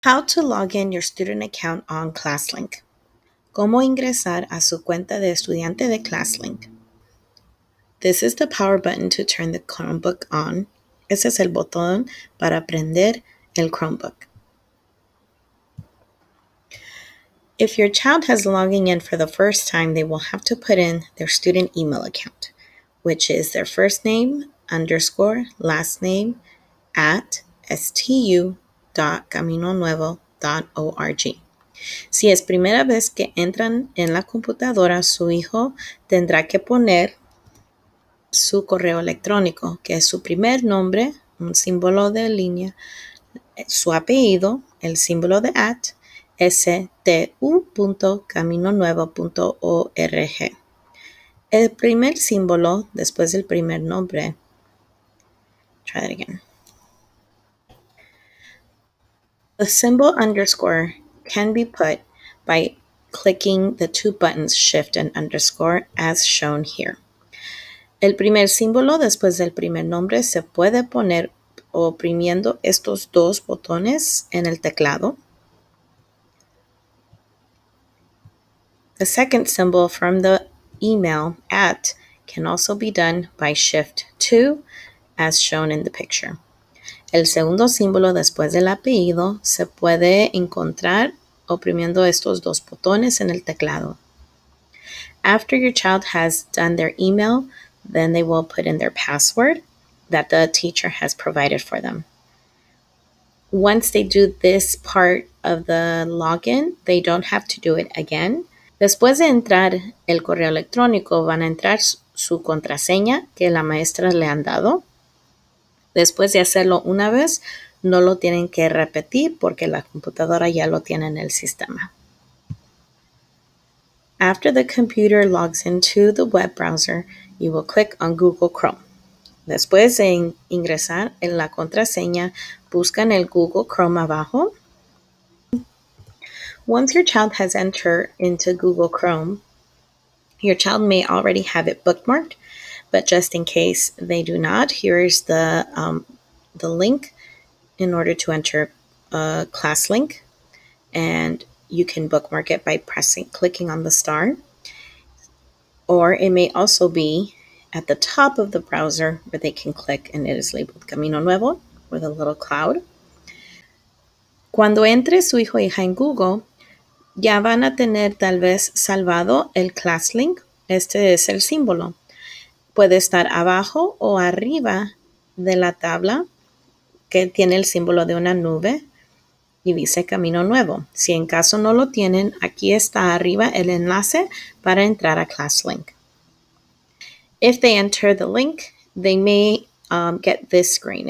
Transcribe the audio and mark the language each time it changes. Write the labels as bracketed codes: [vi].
[en] How to log in your student account on ClassLink. [es] ¿Cómo ingresar a su cuenta de estudiante de ClassLink? [en] This is the power button to turn the Chromebook on. [es] Ese es el botón para prender el Chromebook. [en] If your child has logging in for the first time, they will have to put in their student email account, which is their first name underscore last name at stu.caminonuevo.org. [es] Si es primera vez que entran en la computadora, su hijo tendrá que poner su correo electrónico, que es su primer nombre, un símbolo de línea, su apellido, el símbolo de at, stu.caminonuevo.org. El primer símbolo después del primer nombre. [en] Try that again. The symbol underscore can be put by clicking the two buttons, shift and underscore, as shown here. [es] El primer símbolo después del primer nombre se puede poner oprimiendo estos dos botones en el teclado. [en] The second symbol from the email at can also be done by shift 2, as shown in the picture. [es] El segundo símbolo después del apellido se puede encontrar oprimiendo estos dos botones en el teclado. [en] After your child has done their email, then they will put in their password that the teacher has provided for them. Once they do this part of the login, they don't have to do it again. [es] Después de entrar el correo electrónico, van a entrar su contraseña que la maestra le han dado. Después de hacerlo una vez, no lo tienen que repetir porque la computadora ya lo tiene en el sistema. [en] After the computer logs into the web browser, you will click on Google Chrome. [es] Después de ingresar en la contraseña, buscan el Google Chrome abajo. [en] Once your child has entered into Google Chrome, your child may already have it bookmarked. But just in case they do not, here's the link in order to enter a class link. And you can bookmark it by clicking on the star. Or it may also be at the top of the browser where they can click and it is labeled Camino Nuevo with a little cloud. [es] Cuando entre su hijo o hija en Google, ya van a tener tal vez salvado el class link. Este es el símbolo. Puede estar abajo o arriba de la tabla que tiene el símbolo de una nube y dice Camino Nuevo. Si en caso no lo tienen, aquí está arriba el enlace para entrar a ClassLink. [en] If they enter the link, they may get this screen.